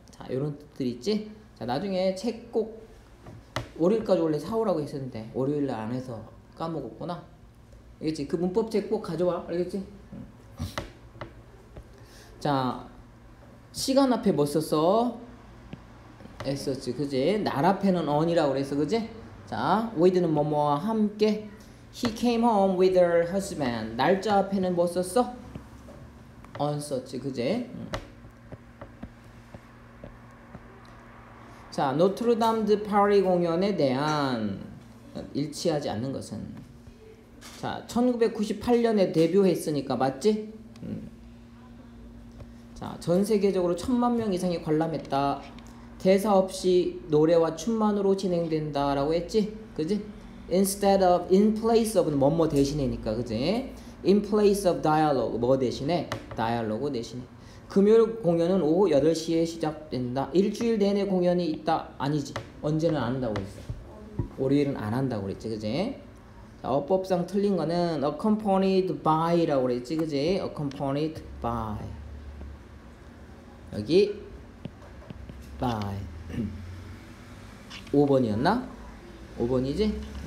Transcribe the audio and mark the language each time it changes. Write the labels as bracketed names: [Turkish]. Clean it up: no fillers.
[Korean] 자, 이런 뜻들이 있지? 자, 나중에 책 꼭 월요일까지 원래 사오라고 했었는데 월요일날 안 해서 까먹었구나. 알겠지? 그 문법 책 꼭 가져와. 알겠지? 자, 시간 앞에 뭐 썼어? s였지, 그지? 날 앞에는 on이라고 그랬어, 그지? 자, with는 뭐뭐와 함께. [English] He came home with her husband. [Korean] 날짜 앞에는 뭐 썼어? on 썼지, 그제? 자, 노트르담드 파리 공연에 대한 일치하지 않는 것은? 자, 1998년에 데뷔했으니까 맞지? 자, 전 세계적으로 천만 명 이상이 관람했다. 대사 없이 노래와 춤만으로 진행된다 라고 했지? 그지? [English] Instead of, in place of [Korean] 뭐뭐 대신이니까, 그지? [English] In place of dialogue, [Korean] 뭐 대신에? Dialogue 대신에. 금요일 공연은 오후 8시에 시작된다. 일주일 내내 공연이 있다. 아니지, 언제는 안 한다고 했어. 월요일은 안 한다고 그랬지, 그지? 자, 어법상 틀린 거는 accompanied by 라고 그랬지, 그지? Accompanied by. 여기 by 5번이었나? 5번이지?